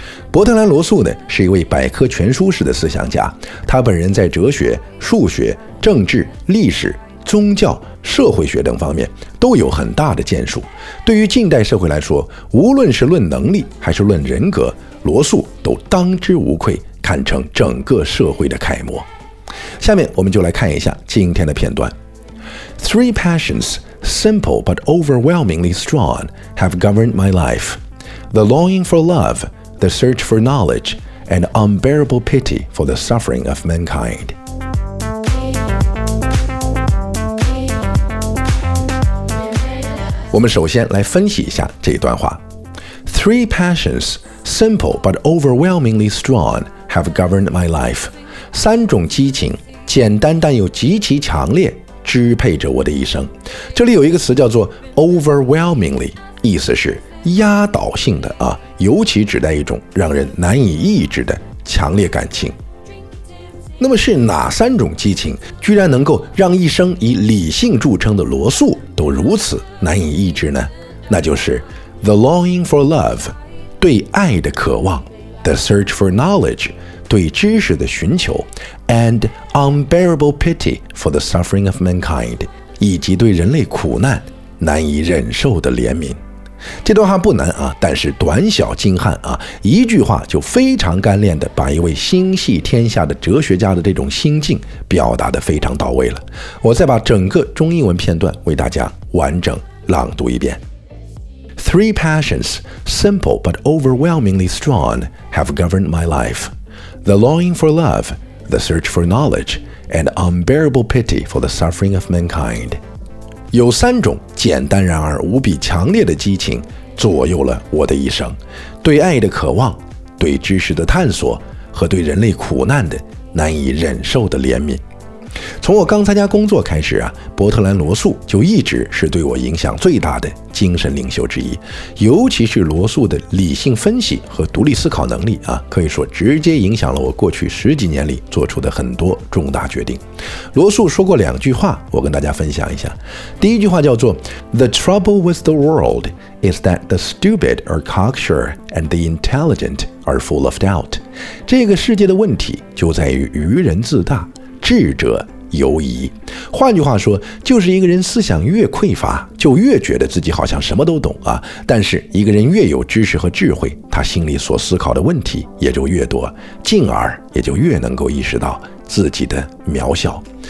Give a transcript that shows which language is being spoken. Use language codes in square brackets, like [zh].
[zh] 伯特兰·罗素呢，是一位百科全书式的思想家，他本人在哲学、数学、政治、历史、宗教、社会学等方面都有很大的建树。对于近代社会来说，无论是论能力还是论人格，罗素都当之无愧，堪称整个社会的楷模。下面我们就来看一下今天的片段。 [en] Three passions, simple but overwhelmingly strong, have governed my life. The longing for love, the search for knowledge, and unbearable pity for the suffering of mankind. [zh] 我们首先来分析一下这一段话。 [en] Three passions, simple but overwhelmingly strong, have governed my life. [zh] 三种激情，简单但又极其强烈，支配着我的一生。这里有一个词叫做 overwhelmingly, 意思是压倒性的啊，尤其指代一种让人难以抑制的强烈感情。那么是哪三种激情居然能够让一生以理性著称的罗素都如此难以抑制呢？那就是 [en] The longing for love, [zh] 对爱的渴望， [en] The search for knowledge, [zh] 对知识的寻求， [en] And unbearable pity for the suffering of mankind, [zh] 以及对人类苦难难以忍受的怜悯。这段话不难啊，但是短小精悍啊，一句话就非常干练地把一位心系天下的哲学家的这种心境表达得非常到位了。我再把整个中英文片段为大家完整朗读一遍。 [en] Three passions, simple but overwhelmingly strong, have governed my life. The longing for love, the search for knowledge, and unbearable pity for the suffering of mankind. [zh] 有三种简单然而无比强烈的激情左右了我的一生，对爱的渴望，对知识的探索，和对人类苦难的难以忍受的怜悯。从我刚参加工作开始啊，伯特兰·罗素就一直是对我影响最大的精神领袖之一，尤其是罗素的理性分析和独立思考能力啊，可以说直接影响了我过去十几年里做出的很多重大决定。罗素说过两句话，我跟大家分享一下。第一句话叫做 [en] The trouble with the world is that the stupid are cocksure and the intelligent are full of doubt. [zh] 这个世界的问题就在于愚人自大，智者犹疑。换句话说，就是一个人思想越匮乏，就越觉得自己好像什么都懂啊。但是一个人越有知识和智慧，他心里所思考的问题也就越多，进而也就越能够意识到自己的渺小。